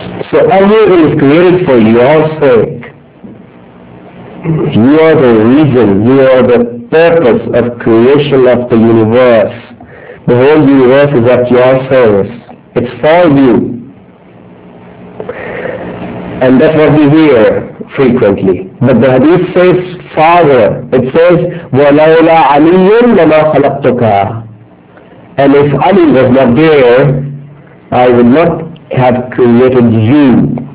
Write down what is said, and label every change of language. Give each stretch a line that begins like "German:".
English: So everything is created for your sake. You are the reason, you are the purpose of creation of the universe. The whole universe is at your service. It's for you. And that's what we hear frequently. But the hadith says farther. It says,
Arabic: وَلَوْلَا عَلِيٌّ لَمَا خَلَقْتُكَ.
English: And if Ali was not there, I would not have created you.